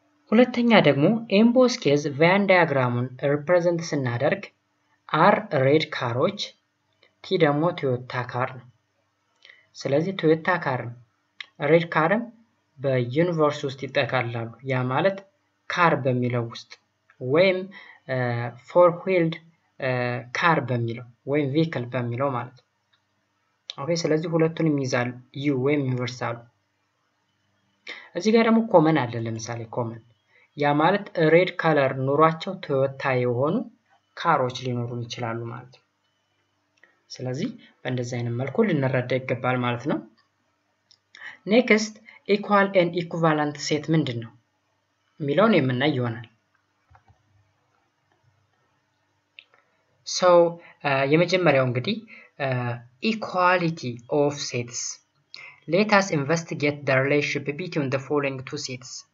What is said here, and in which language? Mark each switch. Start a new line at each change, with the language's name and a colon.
Amharic: ሁለተኛ ደግሞ
English: in both cases Venn diagramun represent
Amharic: ስናደርግ
English: R red cars T
Amharic: ደግሞ
English: Toyota car
Amharic: ነው. ስለዚህ
English: Toyota car red car
Amharic: በዩኒቨርስ ውስጥ ይጠቃላሉ. ያ ማለት ካር በሚለው ውስጥ ወይም ፎር ዊልድ ካር በሚለው ወይም ቪክል በሚለው ማለት. ኦኬ, ስለዚህ ሁለቱን ይይዛል ዩ ወይም ዩኒቨርሳል. እዚህ ጋር ደግሞ ኮመን አለ. ለምሳሌ ኮመን, ያ ማለት ሬድ ካለር ኑሯቸው ቶዮታ የሆኑ ካሮች ሊኖሩ ይችላሉ ማለት ነው. ስለዚህ በእንደዚህ አይነት መልኩ ልንረዳ ይገባል ማለት ነው.
English: Next, equal and equivalent set
Amharic: ምንድን ነው? ሚለውን የምናይ ይሆናል.
English: So,
Amharic: የመጀመሪያው እንግዲህ
English: equality of sets. Let us investigate the relationship between the following two sets.